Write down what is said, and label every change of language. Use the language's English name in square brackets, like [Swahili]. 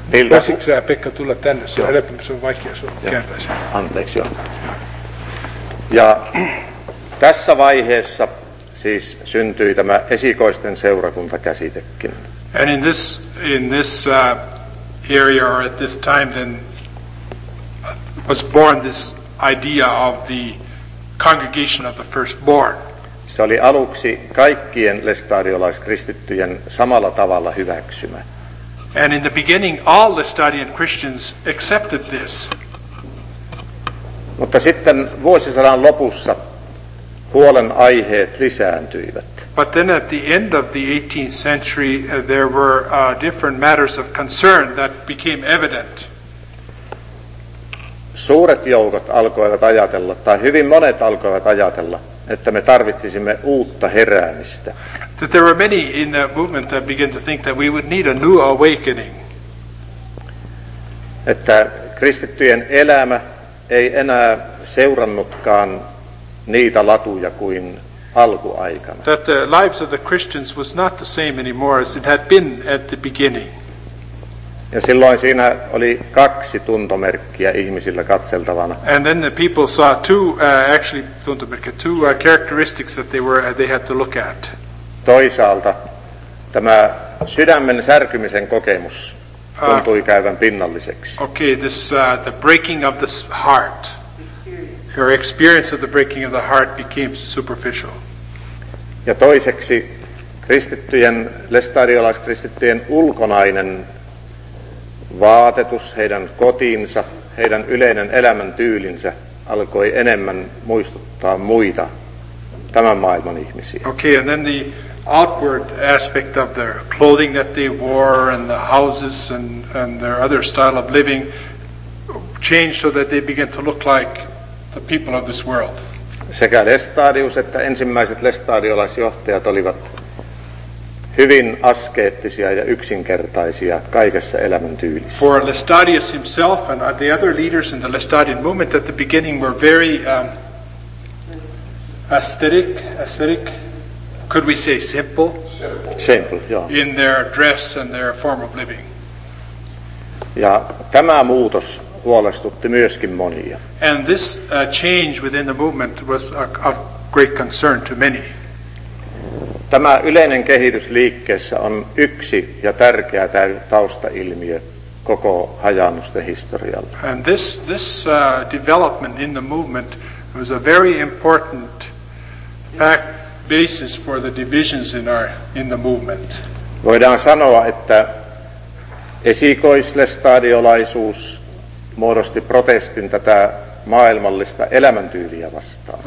[Finnish] Voisitko Pekka tulla tänne? Se on helpompi, se on vaikea sinua kääntää. Anteeksi, joo. Ja tässä vaiheessa siis syntyi tämä esikoisten seurakunta käsitekin. [English] And in this area or at this time then was born this idea of the congregation of the firstborn. [Finnish] Se oli aluksi kaikkien lestadiolaiskristittyjen samalla tavalla hyväksymä. [English] And in the beginning all Lestadian Christians accepted this. [Finnish] Mutta sitten vuosisadan lopussa huolen aiheet lisääntyivät. [English] But then at the end of the 18th century there were different matters of concern that became evident. [Finnish] Suuret joukot alkoivat ajatella, tai hyvin monet alkoivat ajatella, että me tarvitsisimme uutta heräämistä. [English] That there were many in the movement that began to think that we would need a new awakening. [Finnish] Että kristittyjen elämä ei enää seurannutkaan niitä latuja kuin alkuaikana. [English] That the lives of the Christians was not the same anymore as it had been at the beginning. [Finnish] Ja silloin siinä oli kaksi tuntomerkkiä ihmisillä katseltavana. [English] And then the people saw two characteristics that they had to look at. [Finnish] Toisaalta tämä sydämen särkymisen kokemus tuntui käyvän pinnalliseksi. [English] Okay, the breaking of the heart. Your experience of the breaking of the heart became superficial. [Finnish] Ja toiseksi kristittyjen, lestadiolaiskristittyjen ulkonainen vaatetus, heidän kotiinsa, heidän yleinen elämäntyylinsä alkoi enemmän muistuttaa muita tämän maailman ihmisiä. [English] Okay, and then the outward aspect of their clothing that they wore and the houses and their other style of living changed so that they began to look like the people of this world. [Finnish] Sekä Lestadius että ensimmäiset lestadiolaisjohtajat olivat hyvin askeettisia ja yksinkertaisia kaikessa elämäntyylissä. [English] For Lestadius himself and the other leaders in the Lestadian movement at the beginning were very ascetic, could we say simple? Simple, joo. Yeah. In their dress and their form of living. [Finnish] Ja tämä muutos huolestutti myöskin monia. [English] And this change within the movement was of great concern to many. [Finnish] Tämä yleinen kehitys liikkeessä on yksi ja tärkeä taustailmiö koko hajaannusten historialla. [English] And this development in the movement was a very important fact basis for the divisions in the movement. [Finnish] Voidaan sanoa, että esikoislestadiolaisuus muodosti protestin tätä maailmallista elämäntyyliä vastaan.